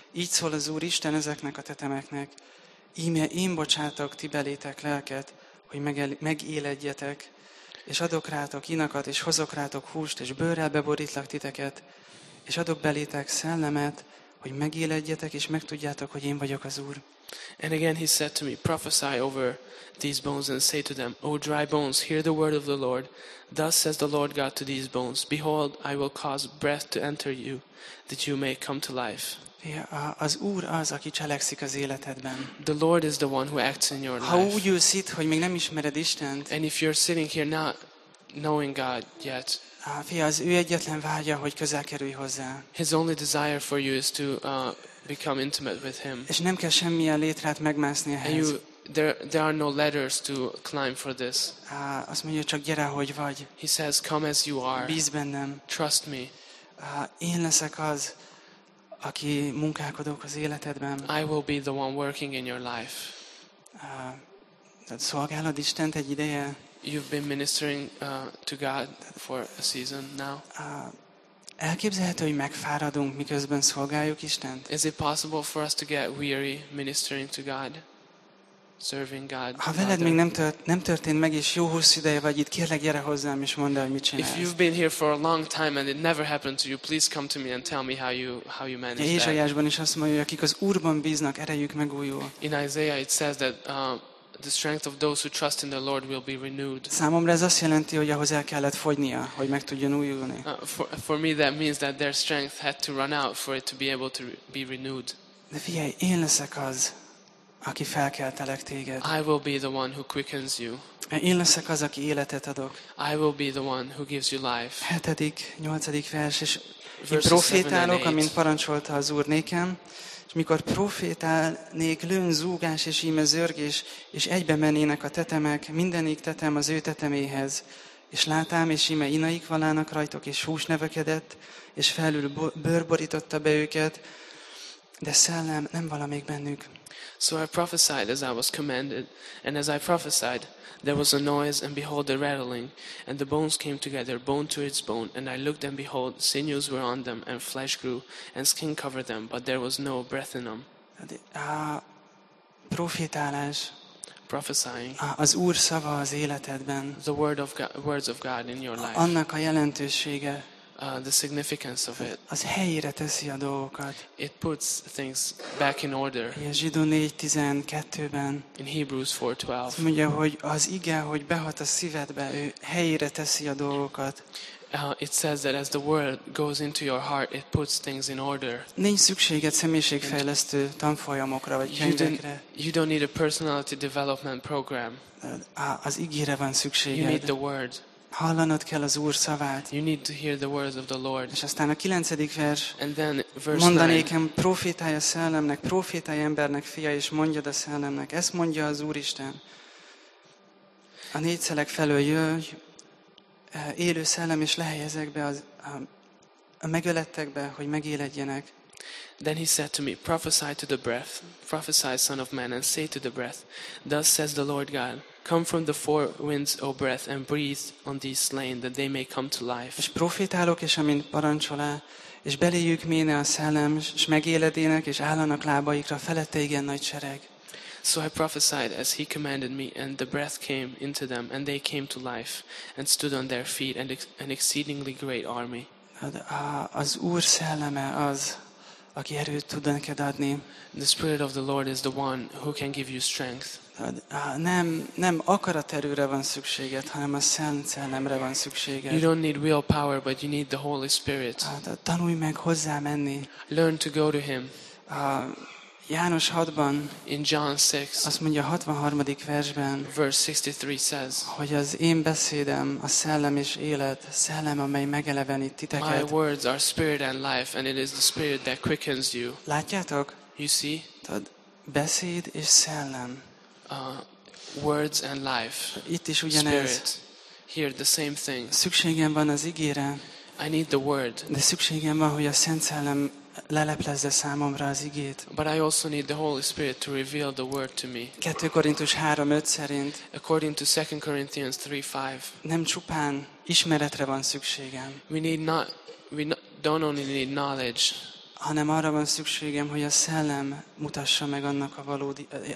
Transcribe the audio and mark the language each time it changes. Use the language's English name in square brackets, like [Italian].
[Hungarian] Így szól az Úr Isten ezeknek a tetemeknek. Íme én bocsátok ti belétek lelket, hogy megéledjetek. És adok rátok inakat, és hozok rátok húst, és bőrrel beborítlak titeket, és adok belétek szellemet, hogy megéledjetek és megtudjátok, hogy én vagyok az Úr. [English] And again he said to me, prophesy over these bones and say to them, O dry bones, hear the word of the Lord. Thus says the Lord God to these bones, behold, I will cause breath to enter you, that you may come to life. [Hungarian] Az Úr az, aki cselekszik az életedben. [English] The Lord is the one who acts in your life. [Hungarian] Ha úgy ülsz itt, hogy még nem ismered Istent. [English] And if you're sitting here not knowing God yet. [Hungarian] Az ő egyetlen vágya, hogy közel kerülj hozzá. [English] His only desire for you is to become intimate with him. [Hungarian] És nem kell semmilyen létrát megmászni ehhez. [English] There are no ladders to climb for this. [Hungarian] Azt mondja, csak gyere, hogy vagy. [English] He says, come as you are. [Hungarian] Bízz bennem. [English] Trust me. [Hungarian] Én leszek az, aki munkálkodok az életedben. [English] I will be the one working in your life. [Hungarian] Szolgálod Istent egy ideje. [English] You've been ministering to God for a season now. [Hungarian] Elképzelhető, hogy megfáradunk, miközben szolgáljuk Istent? [English] Is it possible for us to get weary ministering to God, serving God? [Hungarian] Ha veled még nem történt meg, és jó hosszú ideje vagy itt, kérlek gyere hozzám, és mondd el, mit csinálsz. [English] If you've been here for a long time and it never happened to you, please come to me and tell me how you manage that. [Hungarian] Ézsaiásban is azt mondja, hogy akik az Úrban bíznak, erejük megújul. [English] In Isaiah it says that the strength of those who trust in the Lord will be renewed. [Hungarian] Számomra ez azt jelenti, hogy ahhoz el kellett fogynia, hogy meg tudjon újulni. [English] For me that means that their strength had to run out for it to be able to be renewed. [Hungarian] De figyelj, én leszek az, aki felkeltelek téged. [English] I will be the one who quickens you. [Hungarian] Én leszek az, aki életet adok. [English] I will be the one who gives you life. [Hungarian] 7. 8. vers, és én profétálok, amint parancsolta az Úr nékem. És mikor profétálnék, lőn zúgás és íme zörgés, és egybe mennének a tetemek, mindenik tetem az ő teteméhez. És látám, és íme inaik valának rajtok, és hús nevekedett, és felül bőr borította be őket, de szellem nem valamik bennük. [English] So I prophesied as I was commanded, and as I prophesied, there was a noise, and behold a rattling, and the bones came together, bone to its bone, and I looked, and behold, sinews were on them, and flesh grew, and skin covered them, but there was no breath in them. [Hungarian] Prophetálás. [English] Prophesying. [Hungarian] Az Úr szava az életedben. [English] The word of God, words of God in your life. [Hungarian] Annak a jelentősége. [English] The significance of it. [Hungarian] Az helyére teszi a dolgokat. [English] It puts things back in order. [Hungarian] A Zsidó 4:12-ben. [English] In Hebrews 4:12. [Hungarian] Azt mondja, hogy az ige, hogy behat a szívedbe, ő helyére teszi a dolgokat. [English] It says that as the word goes into your heart, it puts things in order. [Hungarian] Nincs szükséged személyiségfejlesztő tanfolyamokra vagy könyvekre. [English] You don't need a personality development program. [Hungarian] Az igére van szükséged. [English] You need the word. [Hungarian] Hallanod kell az Úr szavát. [English] You need to hear the words of the Lord. [Hungarian] És aztán a 9. vers. [English] And then verse 9. [Hungarian] Mondanékem, profétálj a szellemnek, profétálj embernek, fia, és mondjad a szellemnek. Ezt mondja az Úristen. A négy szelek felől jöjj, élő szellem, és lehelyezek be a megölettekbe, hogy megéledjenek. [English] Then he said to me, prophesy to the breath, prophesy, son of man, and say to the breath, thus says the Lord God, come from the four winds, O breath, and breathe on these slain, that they may come to life. [Hungarian] És profétálok, és amint parancsolá, és beléjük méne a szellem, és megéledének, és állanak lábaikra, felette igen nagy sereg. [English] So I prophesied as he commanded me, and the breath came into them, and they came to life, and stood on their feet, and an exceedingly great army. [Hungarian] Az Úr szelleme az, aki erőt tud neked adni. [English] The Spirit of the Lord is the one who can give you strength. [Hungarian] Nem akaraterőre van szükséged, hanem a Szent Szellemre van szükséged. [English] You don't need willpower, but you need the Holy Spirit. [Hungarian] Tanulj meg hozzá menni. [English] Learn to go to Him. [Hungarian] János 6-ban, [English] in John 6, [Hungarian] azt mondja a 63. versben, [English] verse 63 says, [Hungarian] hogy az én beszédem a szellem és élet, szellem, amely megelevenít titeket. [English] My words are spirit and life, and it is the spirit that quickens you. [Hungarian] Látjátok? [English] You see? [Hungarian] Tehát beszéd és szellem. [English] Words and life. [Hungarian] Itt is ugyanez. [English] Spirit. Here the same thing. [Hungarian] Szükségem van az igére. [English] I need the word. [Hungarian] De szükségem van, hogy a Szent Szellem leleplezze számomra az igét. [English] But I also need the Holy Spirit to reveal the word to me. [Hungarian] 2 Korintus 3:5 szerint. [English] According to 2 Corinthians 3:5. [Hungarian] Nem csupán ismeretre van szükségem. [English] We don't only need knowledge. [Hungarian] Hanem arra van szükségem, hogy a Szellem mutassa meg annak a valódi